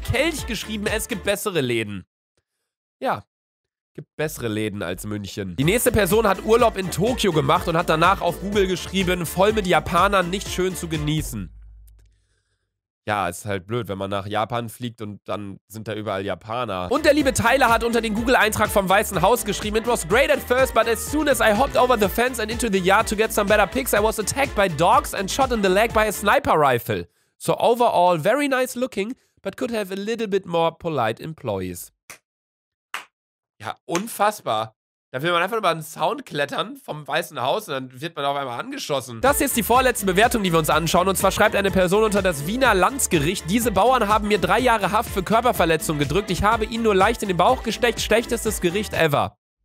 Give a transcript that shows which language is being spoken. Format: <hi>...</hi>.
<de>Kelch geschrieben, es gibt bessere Läden. Ja, gibt bessere Läden als München. Die nächste Person hat Urlaub in Tokio gemacht und hat danach auf Google geschrieben, voll mit Japanern, nicht schön zu genießen. Ja, ist halt blöd, wenn man nach Japan fliegt und dann sind da überall Japaner. Und der liebe Tyler hat unter den Google-Eintrag vom Weißen Haus geschrieben,</de> <en>it was great at first, but as soon as I hopped over the fence and into the yard to get some better pics, I was attacked by dogs and shot in the leg by a sniper rifle. So overall, very nice looking, but could have a little bit more polite employees.</en> <de>Ja, unfassbar. Da will man einfach über einen Zaun klettern vom Weißen Haus und dann wird man auf einmal angeschossen. Das ist die vorletzte Bewertung, die wir uns anschauen. Und zwar schreibt eine Person unter das Wiener Landgericht, diese Bauern haben mir 3 Jahre Haft für Körperverletzung gedrückt. Ich habe ihnen nur leicht in den Bauch gesteckt. Schlechtestes Gericht ever.</de>